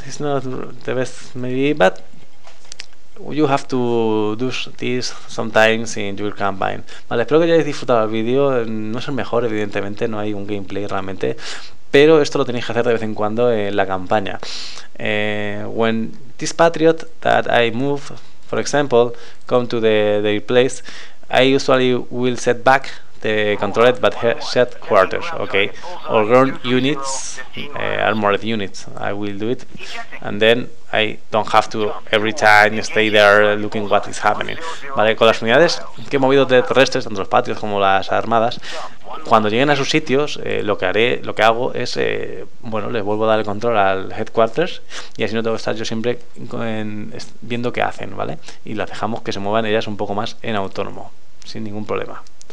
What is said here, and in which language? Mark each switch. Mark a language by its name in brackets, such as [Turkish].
[English] It's not the best maybe, but you have to do this sometimes in your campaign. [Spanish] Vale, espero que hayáis disfrutado el vídeo. No es el mejor, evidentemente, no hay un gameplay realmente, pero esto lo tenéis que hacer de vez en cuando en la campaña. [English] When this patriot that I move, for example, come to the place, I usually will set back the controlled but set quarters, okay, or ground units, armored units, I will do it, and then I don't have to every time stay there looking what is happening. [Spanish] Vale, con las unidades que he movido de terrestres, tanto los patios como las armadas, cuando lleguen a sus sitios, lo que hago es, les vuelvo a dar el control al headquarters y así no tengo que estar yo siempre viendo qué hacen, vale, y las dejamos que se muevan ellas un poco más en autónomo, sin ningún problema.